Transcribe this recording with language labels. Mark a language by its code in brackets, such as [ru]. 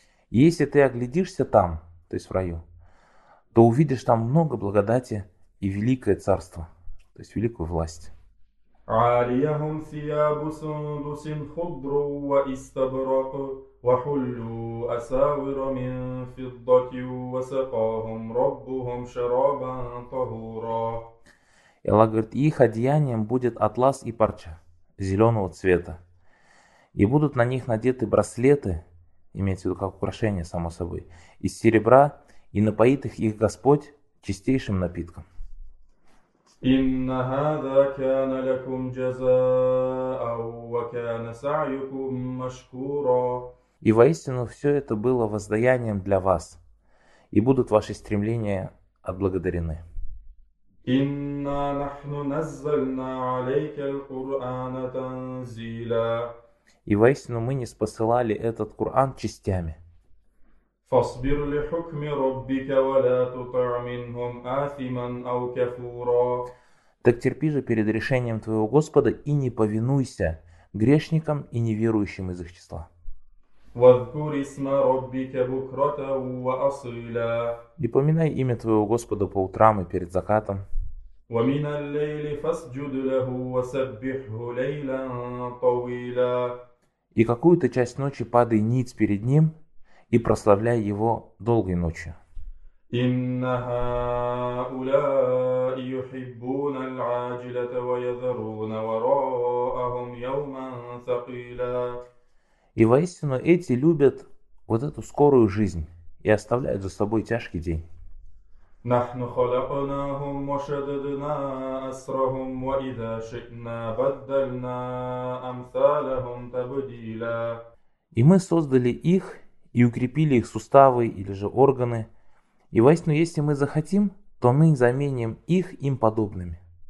[ru] И если ты оглядишься там, то есть в раю, то увидишь там много благодати и великое царство, то есть великую власть. [ar] عاليهم ثياب سندس خضر واستبرق وحلوا أساور من فضة وسقاهم ربهم شرابا طهورا. [ru] И лагерь их одеянием будет атлас и парча зеленого цвета. И будут на них надеты браслеты, имеется в виду как украшение, само собой, из серебра, и напоит их Господь чистейшим напитком. [ar] إن هذا كان لكم جزاء وكان سعيكم مشكورا. [ru] И воистину все это было воздаянием для вас, и будут ваши стремления отблагодарены. [ar] إنا نحن نزلنا عليك القرآن تنزيلا. [ru] И воистину мы не спосылали этот Коран частями. [ar] فاصبر لحكم ربك ولا تطع منهم آثما أو كفورا. [ru] Так терпи же перед решением твоего Господа и не повинуйся грешникам и неверующим из их числа. [ar] واذكر اسم ربك بكرة وأصيلا. [ru] И поминай имя твоего Господа по утрам и перед закатом. [ar] ومن الليل فاسجد له وسبحه ليلا طويلا. [ru] И какую-то часть ночи падай ниц перед ним и прославляй его долгой ночью. [ar] إن هؤلاء يحبون العاجلة ويذرون وراءهم يوما ثقيلا. [ru] И воистину эти любят вот эту скорую жизнь и оставляют за собой тяжкий день. [ar] نحن خلقناهم وشددنا أسرهم وإذا شئنا بدلنا أمثالهم تبديلا. [ru] И мы создали их и укрепили их суставы или же органы. И воистину, если мы захотим, то мы заменим их им подобными.